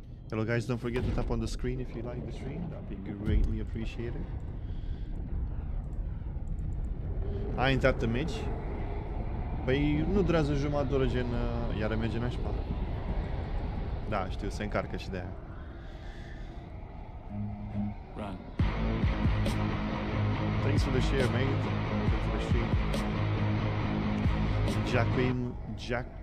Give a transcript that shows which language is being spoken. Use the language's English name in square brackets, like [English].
[English] Hello guys, don't forget to tap on the screen if you like the stream, that'd be greatly appreciated. [Romanian] Ai intrat de mici? Păi nu durează jumătate de oră, gen iară merge nașpa. Da, știu, se încarcă și de aia. [English] Run. Thanks for the share, mate. Thanks for the stream. Jack